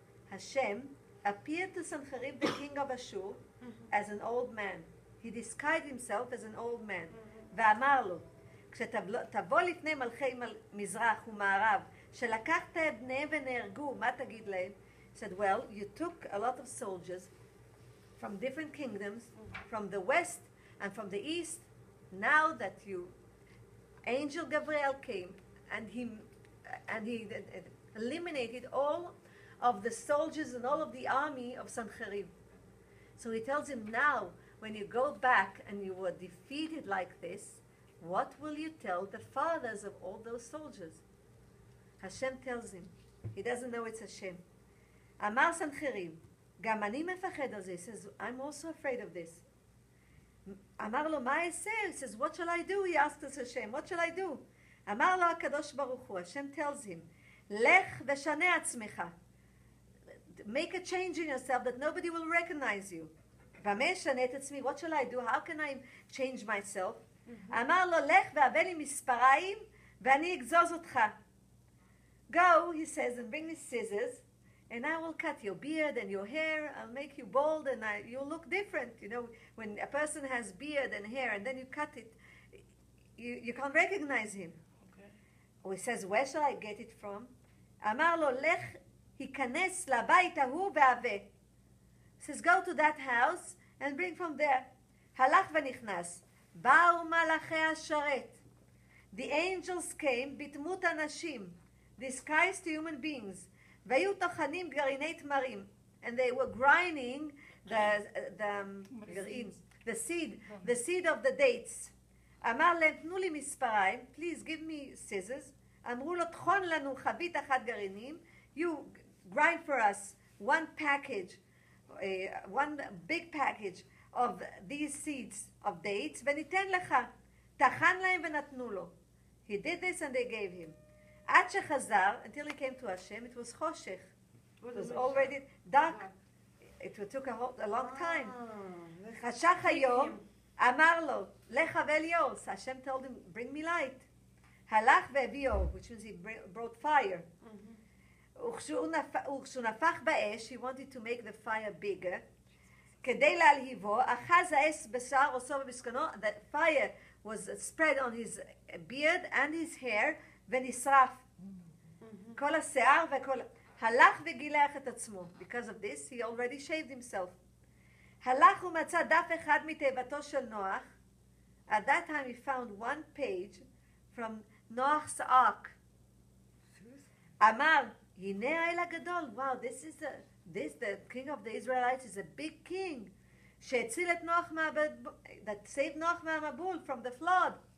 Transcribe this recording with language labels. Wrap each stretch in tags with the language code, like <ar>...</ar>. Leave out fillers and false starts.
<en>השם appeared to סנחריב, the king of Ashur, as an old man. He disguised himself as an old man.</en> <he>ואמר לו, כשתבוא לפני מלכי מזרח ומערב, שלקחת את בני ונהרגו, מה תגיד להם?</he> <en>He said, well, you took a lot of soldiers from different kingdoms, from the west, and from the east, now that you, Angel Gabriel came, and he eliminated all of the soldiers and all of the army of Sanherib. So he tells him, now, when you go back and you were defeated like this, what will you tell the fathers of all those soldiers? Hashem tells him. He doesn't know it's Hashem.</en> <he>Amar Sanherib, גם אני מפחד על זה.</he> <en>He says, I'm also afraid of this.</en> <he>אמר לו, מה אעשה?</he> <en>He says, what shall I do? He asked us Hashem, what shall I do?</en> <he>אמר לו הקדוש ברוך הוא,</he> <en>Hashem tells him,</en> <he>לך ושנה עצמך.</he> <en>Make a change in yourself that nobody will recognize you.</en> <he>ומה שנה את עצמי?</he> <en>What shall I do? How can I change myself?</en> <he>אמר לו, לך והבא לי מספריים ואני אגזוז אותך.</he> <en>Go, he says, and bring me scissors and I will cut your beard and your hair. I'll make you bald and you'll look different, you know. When a person has beard and hair and then you cut it, you can't recognize him. Okay. Or he says, where shall I get it from?</en> <he>אמר לו, לך, היכנס לבית ההוא והווה.</he> <en>He says, go to that house and bring from there.</en> <he>הלך ונכנס. באו מלאכי השרת.</he> <en>The angels came,</en> <he>בדמות אנשים,</he> <en>disguised to human beings.</en> <he>והיו טוחנים גרעיני תמרים.</he> <en>And they were grinding the seed of the dates.</en> <he>אמר להם, תנו לי מספריים,</he> <en>please give me scissors.</en> <he>אמרו לו, תחון לנו חבית אחת גרעינים,</he> <en>you grind for us one package, one big package of these seeds of dates,</en> <he>וניתן לך. תחן להם ונתנו לו.</he> <en>He did this and they gave him.</en> <he>עד שחזר,</he> <en>until he came to Hashem, it was חושך. It was already dark. It took a long time.</en> <he>חשך היום, אמר לו, לך אבל יור.</he> <en>So Hashem told him, bring me light.</en> <he>הלך והביא אור,</he> <en>which means he brought fire.</en> <he>וכשהוא נפח באש,</he> <en>he wanted to make the fire bigger.</en> <he>כדי להלהיבו, אחז האש בשר עושו במשכנו,</he> <en>the fire was spread on his beard and his hair,</en> <he>ונשרף. כל השיער וכל... הלך וגילח את עצמו.</he> <en>Because of this, he already shaved himself.</en> <he>הלך ומצא דף אחד מתיבתו של נוח.</he> <en>At that time, he found one page from Noach's Ark.</en> <he>אמר, הנה האל הגדול.</he> <en>Wow, this is a... This, the king of the Israelites, is a big king.</en> <he>שהציל את נוח מהבד...</he> <en>That saved Noach</en> <he>מהמבול</he> <en>from the flood.</en>